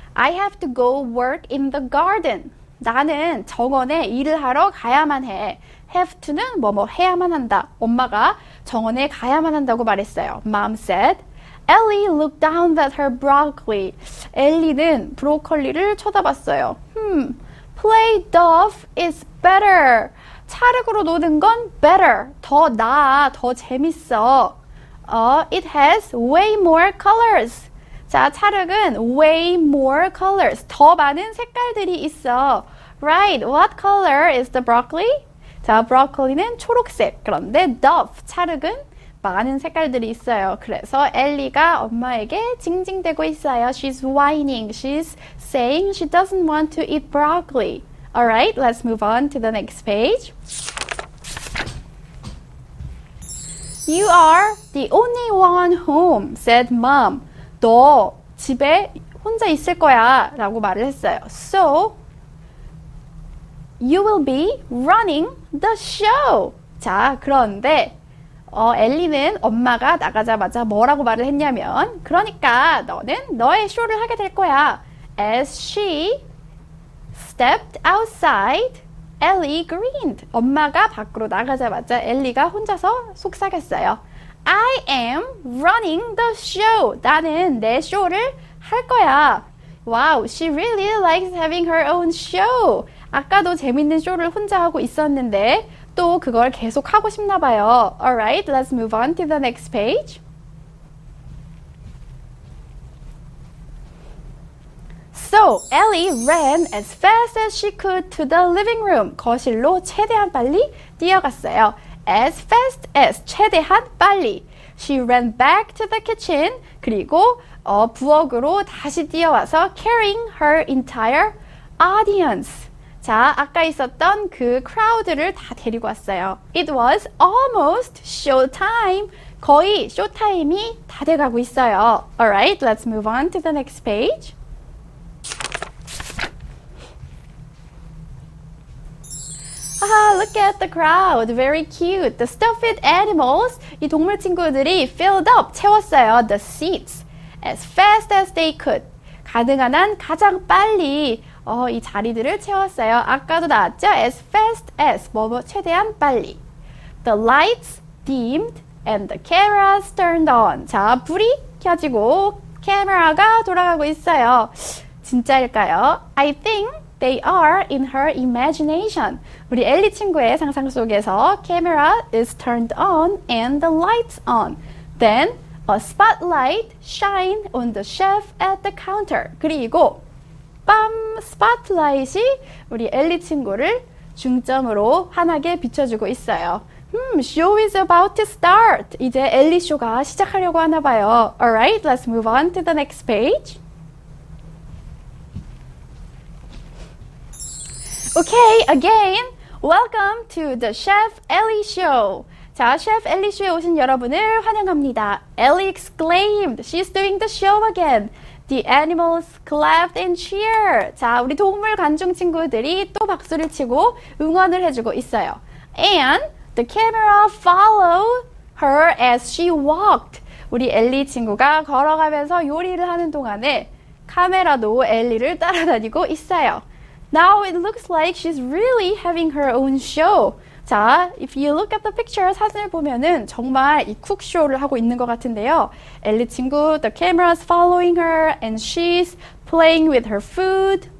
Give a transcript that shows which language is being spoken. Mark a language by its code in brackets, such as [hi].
[en] I have to go work in the garden. [ko] 나는 정원에 일을 하러 가야만 해. [en] Have to [ko] 는 뭐뭐 해야만 한다. 엄마가 정원에 가야만 한다고 말했어요. [en] Mom said, Ellie looked down at her broccoli. [ko] 엘리는 브로콜리를 쳐다봤어요. [en] Play tough is better. [ko] 찰흙으로 노는 건 [en] better. [ko] 더 나아, 더 재밌어. [en] It has way more colors. [ko] 자, 찰흙은 [en] way more colors. [ko] 더 많은 색깔들이 있어. [en] Right, what color is the broccoli? [ko] 자, 브로콜리는 초록색. 그런데 dove, 찰흙은 많은 색깔들이 있어요. 그래서 엘리가 엄마에게 징징대고 있어요. [en] She's whining. She's saying she doesn't want to eat broccoli. Alright, let's move on to the next page. You are the only one home, said mom. [ko] 너 집에 혼자 있을 거야 라고 말을 했어요. [en] So, you will be running the show. [ko] 자, 그런데 엘리는 엄마가 나가자마자 뭐라고 말을 했냐면 그러니까 너는 너의 쇼를 하게 될 거야. [en] As she stepped outside, Ellie grinned. [ko] 엄마가 밖으로 나가자마자 엘리가 혼자서 속삭였어요. [en] I am running the show. [ko] 나는 내 쇼를 할 거야. [en] Wow, she really likes having her own show. [ko] 아까도 재밌는 쇼를 혼자 하고 있었는데 또 그걸 계속 하고 싶나 봐요. [en] Alright, let's move on to the next page. So, Ellie ran as fast as she could to the living room. [ko] 거실로 최대한 빨리 뛰어갔어요. [en] As fast as, [ko] 최대한 빨리. [en] She ran back to the kitchen, [ko] 그리고 부엌으로 다시 뛰어와서 [en] carrying her entire audience. [ko] 자, 아까 있었던 그 크라우드를 다 데리고 왔어요. [en] It was almost showtime. [ko] 거의 쇼타임이 다 돼가고 있어요. [en] Alright, let's move on to the next page. Ah, look at the crowd. Very cute. The stuffed animals. [ko] 이 동물 친구들이 [en] filled up, [ko] 채웠어요. [en] The seats. As fast as they could. [ko] 가능한 한 가장 빨리 이 자리들을 채웠어요. 아까도 나왔죠? [en] As fast as. [ko] 뭐뭐 최대한 빨리. [en] The lights dimmed and the cameras turned on. [ko] 자, 불이 켜지고 카메라가 돌아가고 있어요. 진짜일까요? [en] I think they are in her imagination. [ko] 우리 엘리 친구의 상상 속에서 [en] camera is turned on and the lights on. Then a spotlight shine on the chef at the counter. [ko] 그리고 빰! 스팟라이트가 우리 엘리 친구를 중점으로 환하게 비춰주고 있어요. [en] Show is about to start. [ko] 이제 엘리 쇼가 시작하려고 하나 봐요. [en] Alright, let's move on to the next page. Okay, again, welcome to the Chef Ellie Show. [ko] 자, Chef Ellie Show에 오신 여러분을 환영합니다. [en] Ellie exclaimed, she's doing the show again. The animals clapped and cheer. [ko] 자, 우리 동물 관중 친구들이 또 박수를 치고 응원을 해주고 있어요. [en] And the camera followed her as she walked. [ko] 우리 엘리 친구가 걸어가면서 요리를 하는 동안에 카메라도 엘리를 따라다니고 있어요. [en] Now it looks like she's really having her own show. [ko] 자, [en] if you look at the picture, [ko] 사진을 보면은 정말 이 쿡쇼를 하고 있는 것 같은데요. 엘리 친구, [en] the camera's following her and she's playing with her food.